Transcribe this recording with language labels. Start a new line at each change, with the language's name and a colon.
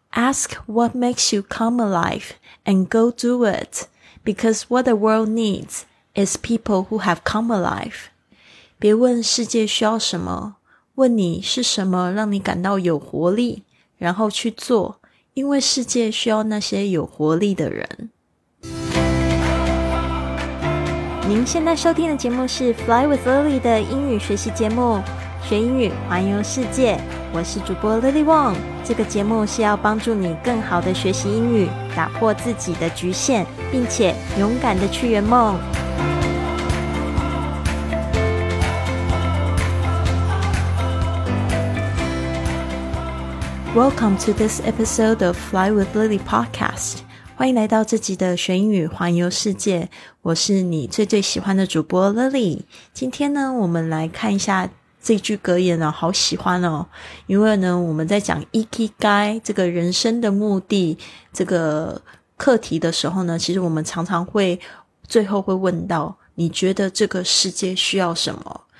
English: Ask what makes you come alive and go do it. Because what the world needs is people who have come alive.
Chinese: 别问世界需要什么，问你是什么让你感到有活力，然后去做，因为世界需要那些有活力的人。您现在收听的节目是 Fly with Lily 的英语学习节目，学英语环游世界，我是主播 Lily Wong。这个节目是要帮助你更好的学习英语，打破自己的局限，并且勇敢的去圆梦。
English: Welcome to this episode of Fly with Lily podcast.
Chinese: 欢迎来到这集的学英语环游世界。我是你最最喜欢的主播 Lily。今天呢，我们来看一下这句格言哦，好喜欢哦。因为呢，我们在讲 Ikigai 这个人生的目的这个课题的时候呢，其实我们常常会最后会问到，你觉得这个世界需要什么？